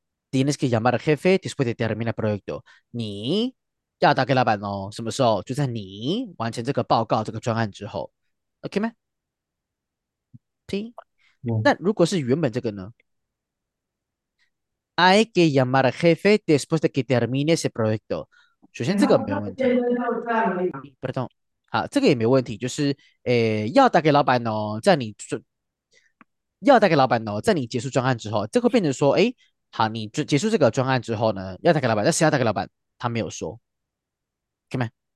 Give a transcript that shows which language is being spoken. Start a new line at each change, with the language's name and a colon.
Spanish: Tienes que llamar al jefe después de terminar el proyecto.
Chinese: 你要打给老板哦，什么时候？就在你完成这个报告、这个专案之后，OK 吗？行。那如果是原本这个呢？
Spanish: Hay que llamar al jefe después de que termine ese proyecto。
Chinese: 首先，这个没有问题。 Perdón，好，这个也没有问题。就是，要打给老板哦，在你就要打给老板哦，在你结束专案之后，这会变成说，哎。好，你就结束这个专案之后呢，要打给老板，但谁要打给老板？他没有说，OK 吗？